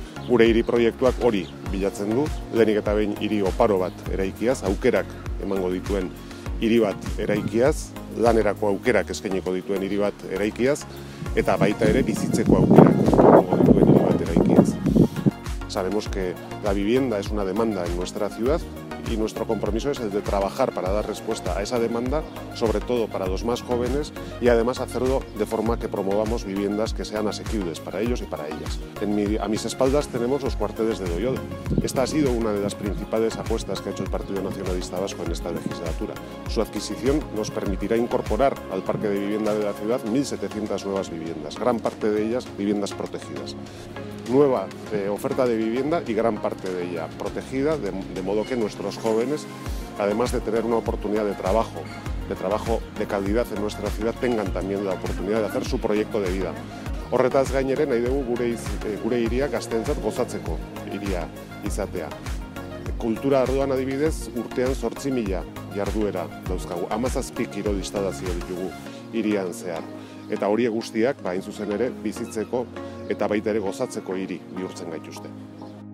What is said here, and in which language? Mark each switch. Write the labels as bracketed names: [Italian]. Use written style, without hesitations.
[Basque] Gure hiri proiektuak hori bilatzen du, lehenik eta behin hiri oparo bat eraikiaz, aukerak emango dituen hiri bat eraikiaz, lanerako aukerak eskainiko dituen hiri bat eraikiaz, eta baita ere bizitzeko aukerak emango dituen hiri bat eraikiaz. [Spanish] Sabemos que la vivienda es una demanda en nuestra ciudad y nuestro compromiso es el de trabajar para dar respuesta a esa demanda, sobre todo para los más jóvenes, y además hacerlo de forma que promovamos viviendas que sean asequibles para ellos y para ellas. A mis espaldas tenemos los cuarteles de Doyodo. Esta ha sido una de las principales apuestas que ha hecho el Partido Nacionalista Vasco en esta legislatura. Su adquisición nos permitirá incorporar al parque de vivienda de la ciudad 1.700 nuevas viviendas, gran parte de ellas viviendas protegidas. Nueva oferta de vivienda y gran parte de ella protegida, de modo que nuestros jóvenes, además de tener una oportunidad de trabajo de calidad en nuestra ciudad, tengan también la oportunidad de hacer su proyecto de vida. [Basque] Horretaz gainere, nahi dugu gure hiria gazteentzat gozatzeko hiria izatea. Kultura arduan adibidez, urtean 8.000 jarduera dauzkagu, 17 kirol instalazio ditugu hirian zehar. Eta horiek guztiak, hain zuzen ere, bizitzeko eta baita ere gozatzeko hiri bihurtzen gaituzte.